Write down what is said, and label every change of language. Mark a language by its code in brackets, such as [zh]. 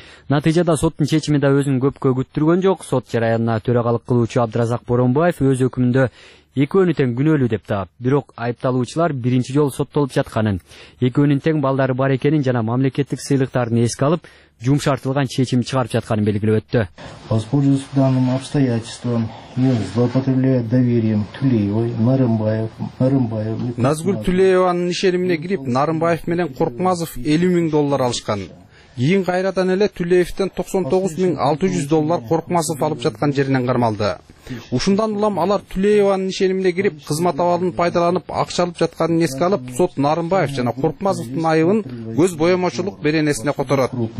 [ky] Натыйжада соттун чечими да өзүн көпкө күттүргөн жок. Сот жараянына төрагалык кылуучу Абдыразак Боронбаев өз өкүмүндө экөөнү тең күнөөлүү деп таап, бирок айыпталуучулар биринчи жолу соттолуп жатканын, экөөнүн тең балдары бар экенин жана мамлекеттик сыйлыктарын эске алып жумшартылган чечим чыгарып жатканын белгилеп өттү. [ru] Воспользуясь данным обстоятельством, я злоупотребляю доверием Тулеевой, Нарымбаев. [ky] Назгүл Тулееванын ишенимине кирип, Нарымбаев менен Коркмазов 50 000 доллар алышкан. Кийин кайрадан эле Түлеевден 99 600 доллар Коркмазов алып жаткан жеринен кармалды. Ушундан улам алар Түлееванын ишенимине кирип, кызмат абалын пайдаланып акча алып жатканын эске алып, сот Нарымбаев жана Коркмазовдун айыбын көз боемочулук беренесине которот.